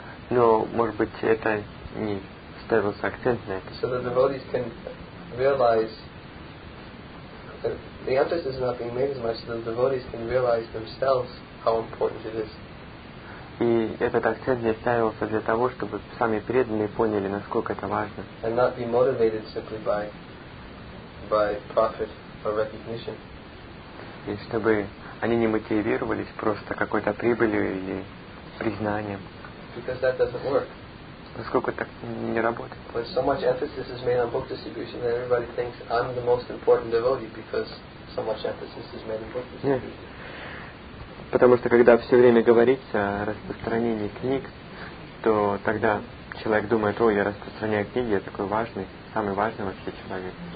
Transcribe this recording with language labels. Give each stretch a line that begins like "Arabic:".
Russian: Но, может быть, это не ставился акцент на это.
English: So the devotees can realize the emphasis is not being made as much, so the devotees can realize themselves how important it is.
Russian: И этот акцент здесь ставился для того, чтобы сами преданные поняли, насколько это важно.
English: And not be motivated simply by profit or recognition.
Russian: И чтобы они не мотивировались просто какой-то прибылью или признанием.
English: Because that doesn't work.
Russian: Насколько так не работает.
English: When so much emphasis is made on book distribution, then everybody thinks I'm the most important devotee because so much emphasis is made on book distribution. Yeah.
Russian: Потому что когда все время говорится о распространении книг, то тогда человек думает, о, я распространяю книги, я такой важный, самый важный вообще человек.